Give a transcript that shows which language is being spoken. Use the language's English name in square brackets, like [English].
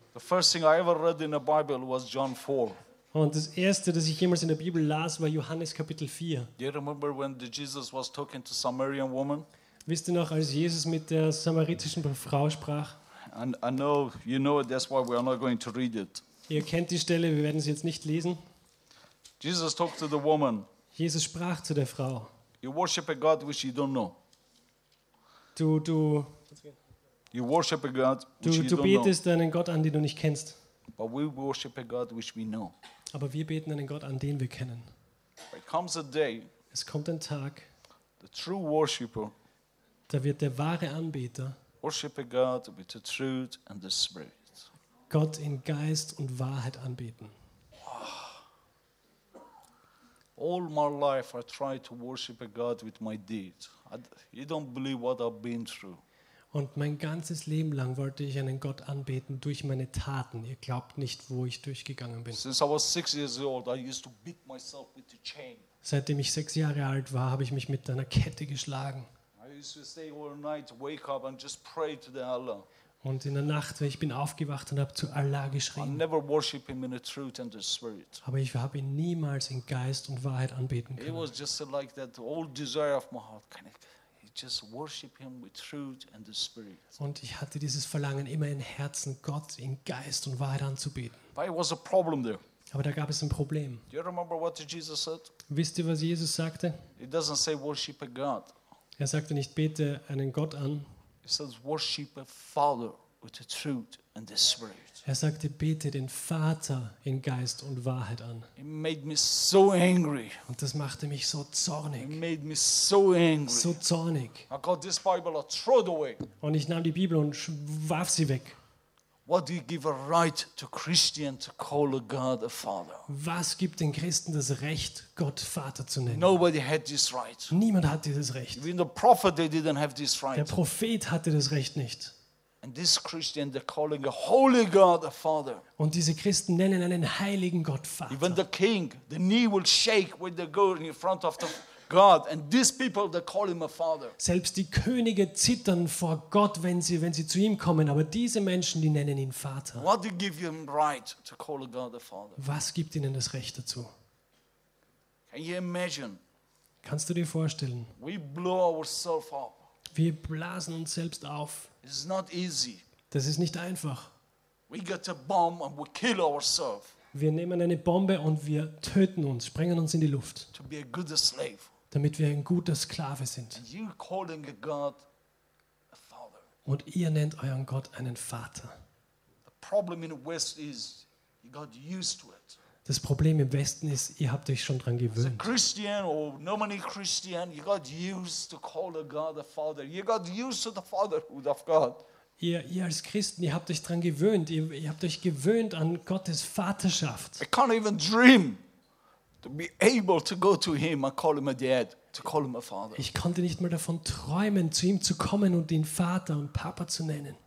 [English] The first thing I ever read in the Bible was John 4. [German] Und das erste, das ich jemals in der Bibel las, war Johannes Kapitel 4. [English] Do you remember when Jesus was talking to a Samaritan woman? [German] Wisst ihr noch, als Jesus mit der samaritischen Frau sprach? [English] And I know you know it, that's why we are not going to read it. [German] Ihr kennt die Stelle, wir werden sie jetzt nicht lesen. [English] Jesus talked to the woman. [German] Jesus sprach zu der Frau. [English] You worship a God which you don't know. [German] Du [English] worship a God which [German] du, [English] you [German] du [English] don't [German] betest [English] know. [German] Einen Gott an, den du nicht kennst. [English] But we worship a God which we know. [German] Aber wir beten einen Gott an, den wir kennen. [English] It comes a day, [German] es kommt ein Tag. [English] The true worshipper, [German] da wird der wahre Anbeter [English] worship a God with the truth and the spirit. [German] Gott in Geist und Wahrheit anbeten. [English] All my life I try to worship a God with my deeds. You don't believe what I've been through. [German] Und mein ganzes Leben lang wollte ich einen Gott anbeten durch meine Taten. Ihr glaubt nicht, wo ich durchgegangen bin. [English] Since I was 6 years old, I used to beat myself with the chain. [German] Seitdem ich 6 Jahre alt war, habe ich mich mit einer Kette geschlagen. [English] I used to stay all night, wake up and just pray to the Allah. [German] Und in der Nacht, wenn ich bin aufgewacht und habe zu Allah geschrien. [English] I never worship him in the truth and the spirit. [German] Aber ich habe ihn niemals in Geist und Wahrheit anbeten können. [English] It was just like that old desire of my heart, kind of. Just worship him with truth and the spirit. [German] Und ich hatte dieses Verlangen immer im Herzen, Gott in Geist und Wahrheit anzubeten. [English] But it was a problem there. [German] Aber da gab es ein Problem. [English] Do you remember what Jesus said? [German] Wisst ihr, was Jesus sagte? [English] It doesn't say worship a God. [German] Er sagte nicht, bete einen Gott an. [English] It says worship a Father with the truth and the spirit. [German] Er sagte, bete den Vater in Geist und Wahrheit an. [English] It made me so angry. [German] Und das machte mich so zornig. [English] It made me so angry. [German] So zornig. [English] I got this Bible, I threw it away. [German] Und ich nahm die Bibel und warf sie weg. [English] What do you give a right to Christian to call a God a Father? [German] Was gibt den Christen das Recht, Gott Vater zu nennen? [English] Nobody had this right. [German] Niemand hat dieses Recht. [English] Even the prophet, they didn't have this right. [German] Der Prophet hatte das Recht nicht. [English] And this Christian, they're calling a holy God a Father. [German] Und diese Christen nennen einen heiligen Gott Vater. [English] Even the king, the knee will shake when they go in front of the God. And these people, they call him a Father. [German] Selbst die Könige zittern vor Gott, wenn sie zu ihm kommen. Aber diese Menschen, die nennen ihn Vater. [English] What do you give him right to call a God a Father? [German] Was gibt ihnen das Recht dazu? [English] Can you imagine? [German] Kannst du dir vorstellen? [English] We blow ourselves up. [German] Wir blasen uns selbst auf. [English] It's not easy. [German] Das ist nicht einfach. [English] We get a bomb and we kill ourselves. [German] Wir nehmen eine Bombe und wir töten uns, sprengen uns in die Luft. [English] To be a good slave. [German] Damit wir ein guter Sklave sind. [English] And you're calling a God a father. [German] Und ihr nennt euren Gott einen Vater. [English] The problem in the West is you got used to it. [German] Das Problem im Westen ist, ihr habt euch schon dran gewöhnt. [English] As a Christian or nominally Christian, you got used to call a God a father. You got used to the fatherhood of God. [German] Ihr als Christen, ihr habt euch dran gewöhnt. Ihr habt euch gewöhnt an Gottes Vaterschaft. [English] I can't even dream to be able to go to him and call him a dad, to call him a father. [German] Ich konnte nicht mal davon träumen, zu ihm zu kommen und ihn Vater und Papa zu nennen.